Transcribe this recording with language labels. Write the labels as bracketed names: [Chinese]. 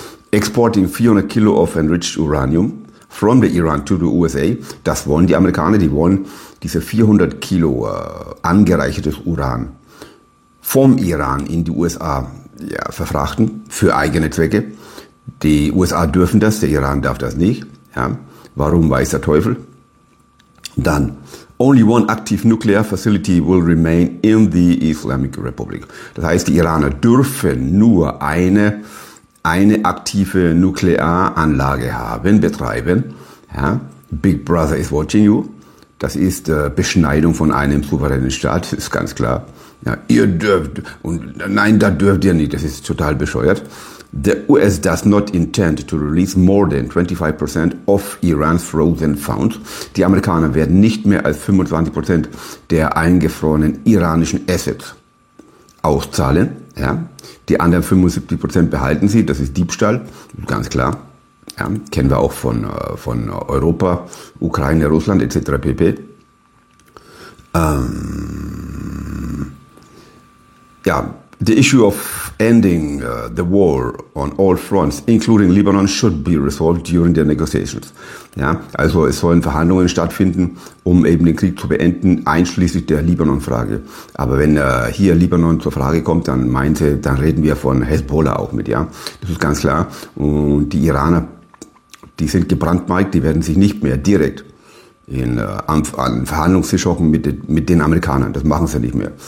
[English] Exporting 400 Kilo of enriched uranium from the Iran to the USA, [German] das wollen die Amerikaner, die wollen diese 400 Kilo angereichertes Uran vom Iran in die USA verfrachten, für eigene Zwecke. Die USA dürfen das, der Iran darf das nicht. Ja. Warum, weiß der Teufel? [English] Dann, only one active nuclear facility will remain in the Islamic Republic. [German] Das heißt, die Iraner dürfen nur eine aktive Nuklearanlage haben, betreiben. Ja. [English] Big Brother is watching you. [German] Das ist Beschneidung von einem souveränen Staat, ist ganz klar. Ja, ihr dürft, und nein, da dürft ihr nicht, das ist total bescheuert. [English] The US does not intend to release more than 25% of Iran's frozen funds. [German] Die Amerikaner werden nicht mehr als 25% der eingefrorenen iranischen Assets auszahlen. Ja. Die anderen 75% behalten sie, das ist Diebstahl, ganz klar. Ja, kennen wir auch von Europa, Ukraine, Russland etc. pp. [English] The issue of ending the war on all fronts, including Lebanon, should be resolved during the negotiations. [German] Ja, also es sollen Verhandlungen stattfinden, um eben den Krieg zu beenden, einschließlich der Libanon-Frage. Aber wenn hier Libanon zur Frage kommt, dann meint sie, dann reden wir von Hezbollah auch mit. Ja, das ist ganz klar. Und die Iraner, die sind gebrandmarkt, die werden sich nicht mehr direkt an Verhandlungstisch hocken mit den Amerikanern. Das machen sie nicht mehr.